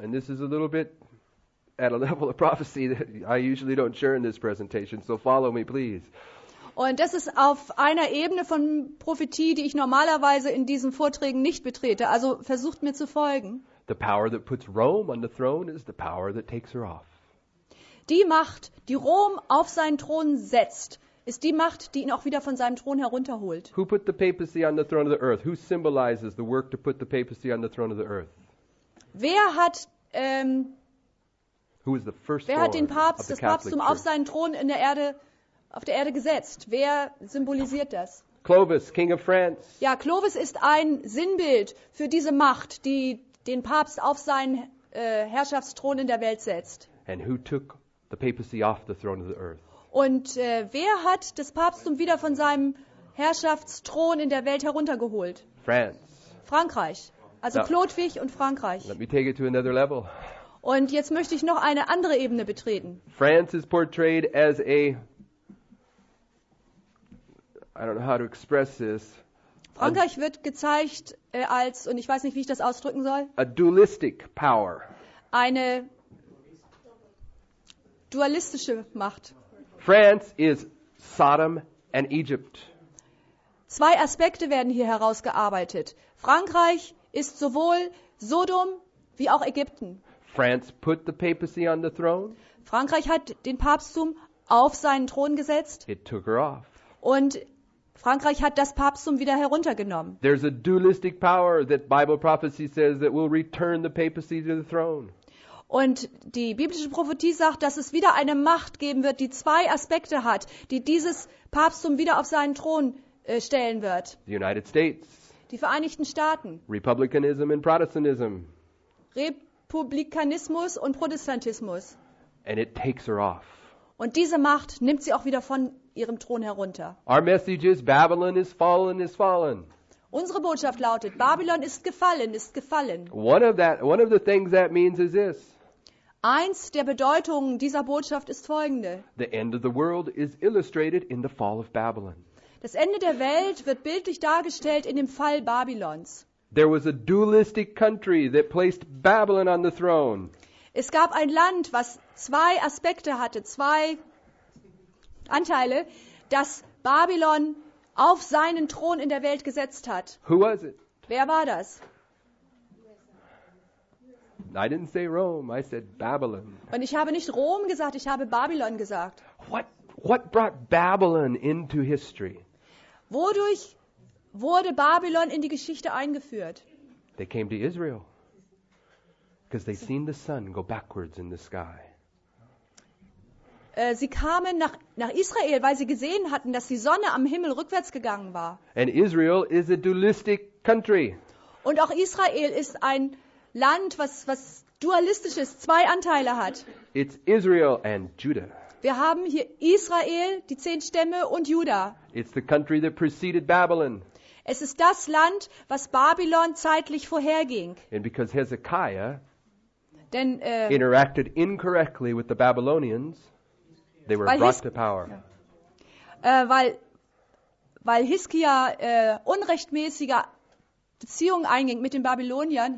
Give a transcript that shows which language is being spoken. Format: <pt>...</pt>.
<en>And this is a little bit at a level of prophecy that I usually don't share in this presentation, so follow me, please.</en> <de>Und das ist auf einer Ebene von Prophetie, die ich normalerweise in diesen Vorträgen nicht betrete. Also versucht mir zu folgen.</de> <en>The power that puts Rome on the throne is the power that takes her off.</en> <de>Die Macht, die Rom auf seinen Thron setzt, ist die Macht, die ihn auch wieder von seinem Thron herunterholt.</de> <en>Who put the papacy on the throne of the earth? Who symbolizes the work to put the papacy on the throne of the earth?</en> <de>Wer hat</de> <en>Who is the first</en> <de>Wer hat den Papst, das Papsttum auf seinen Thron in der Erde auf der Erde gesetzt? Wer symbolisiert das?</de> <en>Clovis, King of France.</en> <de>Ja, Clovis ist ein Sinnbild für diese Macht, die den Papst auf seinen Herrschaftsthron in der Welt setzt.</de> <en>And who took the papacy off the throne of the earth?</en> <de>Und wer hat das Papsttum wieder von seinem Herrschaftsthron in der Welt heruntergeholt?</de> <en>France.</en> <de>Frankreich. Also Clotwig und Frankreich.</de> <en>Let me take it to another level.</en> <de>Und jetzt möchte ich noch eine andere Ebene betreten.</de> <en>France is portrayed as a I don't know how to express this.</en> <de>Frankreich wird gezeigt als, und ich weiß nicht, wie ich das ausdrücken soll.</de> <en>A dualistic power.</en> <de>Eine dualistische Macht.</de> <en>France is Sodom and Egypt.</en> <de>Zwei Aspekte werden hier herausgearbeitet. Frankreich ist sowohl Sodom wie auch Ägypten.</de> <en>France put the papacy on the throne.</en> <de>Frankreich hat den Papsttum auf seinen Thron gesetzt.</de> <en>It took her off.</en> <de>Und Frankreich hat das Papsttum wieder heruntergenommen.</de> <en>There's a dualistic power that Bible prophecy says that will return the papacy to the throne.</en> <de>Und die biblische Prophetie sagt, dass es wieder eine Macht geben wird, die zwei Aspekte hat, die dieses Papsttum wieder auf seinen Thron stellen wird.</de> <en>The United States.</en> <de>Die Vereinigten Staaten.</de> <en>Republicanism and Protestantism.</en> <de>Republikanismus und Protestantismus.</de> <en>And it takes her off.</en> <de>Und diese Macht nimmt sie auch wieder von ihrem Thron herunter.</de> <en>Our message is Babylon is fallen, is fallen.</en> <de>Unsere Botschaft lautet: Babylon ist gefallen, ist gefallen.</de> <en>One of the things that means is this.</en> <de>Eins der Bedeutungen dieser Botschaft ist folgende.</de> <en>The end of the world is illustrated in the fall of Babylon.</en> <de>Das Ende der Welt wird bildlich dargestellt in dem Fall Babylons.</de> <en>There was a dualistic country that placed Babylon on the throne.</en> <de>Es gab ein Land, was zwei Aspekte hatte, zwei Anteile, das Babylon auf seinen Thron in der Welt gesetzt hat.</de> <en>Who was it?</en> <de>Wer war das?</de> <en>I didn't say Rome, I said Babylon.</en> <de>Und ich habe nicht Rom gesagt, ich habe Babylon gesagt.</de> <en>What brought Babylon into history?</en> <de>Wodurch wurde Babylon in die Geschichte eingeführt?</de> <en>They came to Israel. Because they seen the sun go backwards in the sky.</en> <de>Sie kamen nach Israel, weil sie gesehen hatten, dass die Sonne am Himmel rückwärts gegangen war.</de> <en>And Israel is a dualistic country.</en> <de>Und auch Israel ist ein Land, was dualistisch ist, zwei Anteile hat.</de> <en>It's Israel and Judah.</en> <de>Wir haben hier Israel, die 10 Stämme und Juda.</de> <en>It's the country that preceded Babylon.</en> <de>Es ist das Land, was Babylon zeitlich vorherging.</de> <en>And because Hezekiah interacted incorrectly with the Babylonians, they were brought to power.</en> <de>Weil Hiskia unrechtmäßige Beziehungen einging mit den Babyloniern,</de>